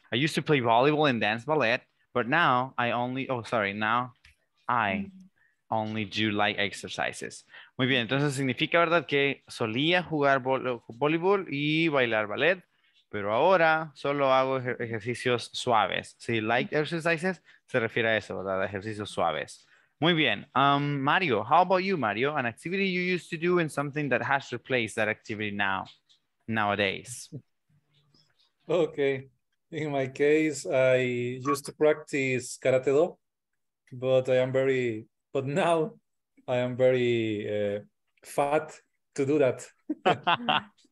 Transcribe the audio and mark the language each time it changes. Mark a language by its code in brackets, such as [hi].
[en] I used to play volleyball and dance ballet, but now I only do light exercises. [es] Muy bien, entonces significa, ¿verdad?, que solía jugar voleibol y bailar ballet, pero ahora solo hago ejercicios suaves. Sí, light exercises se refiere a eso, ¿verdad? Ejercicios suaves. Muy bien. Mario, [en] how about you, [es] Mario? [en] An activity you used to do and something that has replaced that activity nowadays. Okay. In my case, I used to practice karate do, but now I am very fat to do that.